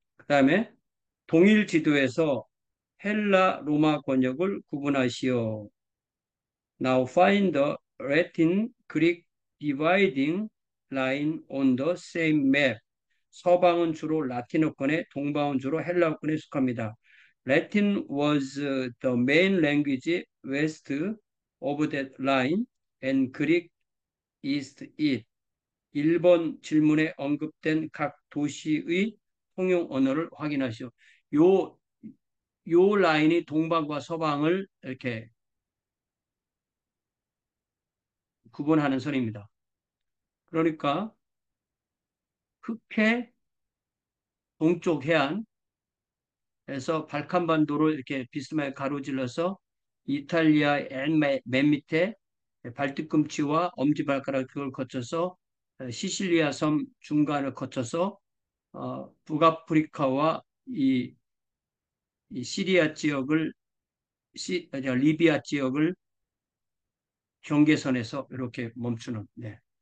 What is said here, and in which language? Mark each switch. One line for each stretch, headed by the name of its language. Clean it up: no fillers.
Korean: 그다음에 동일 지도에서 헬라 로마 권역을 구분하시오.
English: Now find the Latin Greek dividing line on the same map.
Korean: 서방은 주로 라틴어권에, 동방은 주로 헬라어권에 속합니다.
English: Latin was the main language west of that line, and Greek east it.
Korean: 1번 질문에 언급된 각 도시의 통용 언어를 확인하시오. 요 라인이 동방과 서방을 이렇게 구분하는 선입니다. 그러니까 흑해 동쪽 해안에서 발칸반도로 이렇게 비스마르크 가로질러서 이탈리아 맨 밑에 발뒤꿈치와 엄지발가락을 거쳐서 시실리아 섬 중간을 거쳐서 북아프리카와 이 시리아 지역을 리비아 지역을 경계선에서 이렇게 멈추는, 네.